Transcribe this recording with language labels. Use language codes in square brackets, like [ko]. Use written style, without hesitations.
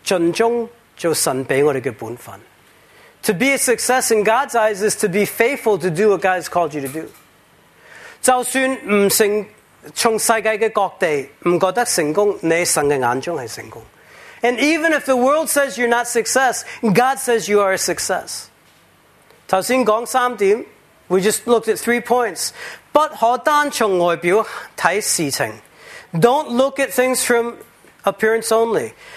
[zh] 我们成功就是尽忠做神给我们的本分。 [en] To be a success in God's eyes is to be faithful to do what God has called you to do. [zh] 就算从世界的各地不觉得成功,你神的眼中是成功。 [en] And even if the world says you're not success, God says you are a success. [zh] 刚才说三点, [en] we just looked at 3 points. [zh] 不可单从外表看事情, [en] don't look at things from appearance only.